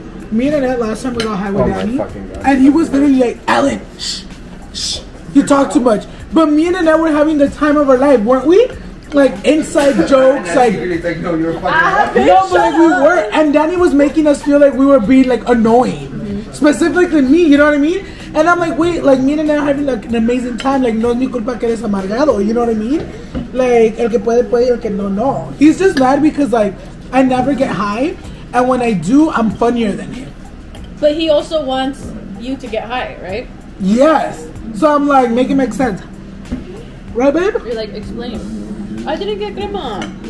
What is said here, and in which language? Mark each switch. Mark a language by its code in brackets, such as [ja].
[en] Me and Annette last time we got high with Danny, and he was literally like, "Alan, shh, shh, you talk too much." But me and Annette were having the time of our life, weren't we? Like inside jokes, like really no, but like we were, and Danny was making us feel like we were being like annoying, specifically me. You know what I mean? And I'm like, wait, like, me and Annette are having, like, an amazing time. [es] Like, no es mi culpa que eres amargado. [en] You know what I mean? [es] Like, el que puede, puede, el que no, no. [en] He's just mad because, like, I never get high. And when I do, I'm funnier than him. But he also wants you to get high, right? Yes. So I'm like, make it make sense. Right, babe? You're like, explain. I didn't get grandma.